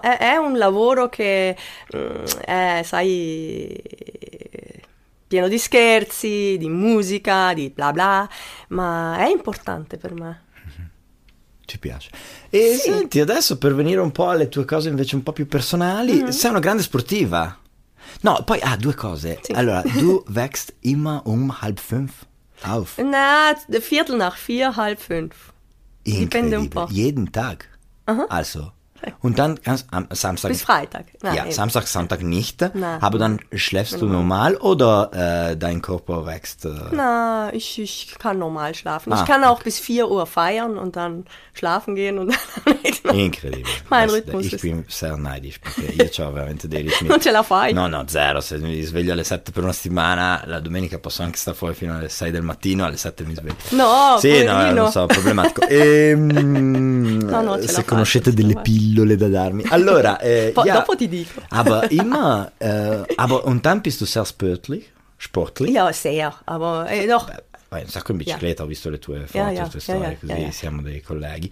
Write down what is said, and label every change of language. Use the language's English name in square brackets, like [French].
[Italian] No, è un lavoro che, sai, pieno di scherzi, di musica, di bla bla, ma è importante per me. Ti piace. E sì. Senti, adesso per venire un po' alle tue cose invece un po' più personali, sei una grande sportiva. No, poi, due cose. Sì. [German] Allora, du wächst immer halb fünf auf. Na, viertel nach vier, halb fünf. [Italian] Dipende un po'. [German] Jeden Tag. Uh-huh. Also. Und dann kannst am Samstag... Bis Freitag. Na, ja, eben. Samstag, Sonntag nicht. Na. Aber dann schläfst du normal oder dein Körper wächst? Na, ich kann normal schlafen. Ich kann auch bis 4 Uhr feiern und dann schlafen gehen und dann... [Italian] Incredibile. [German] Mein Rhythmus ist... Ich bin sehr neidisch, [Italian] perché io c'ho veramente dei ritmi... Non ce la fai. No, zero. Se mi sveglio alle 7 per una settimana, la domenica posso anche stare fuori fino alle 6 del mattino, alle 7 mi sveglio. No, sì, poverino. No, non so, problematico. E, no, ce se conoscete delle pillole... Le da darmi. Allora, dopo ti dico. [German] Aber immer, aber [Italian] un tempo [German] bist du sehr sportlich? Sportlich? Ja, sehr, aber doch. [Italian] Beh, un sacco in bicicletta, ho visto le tue foto, le tue storie, così siamo dei colleghi.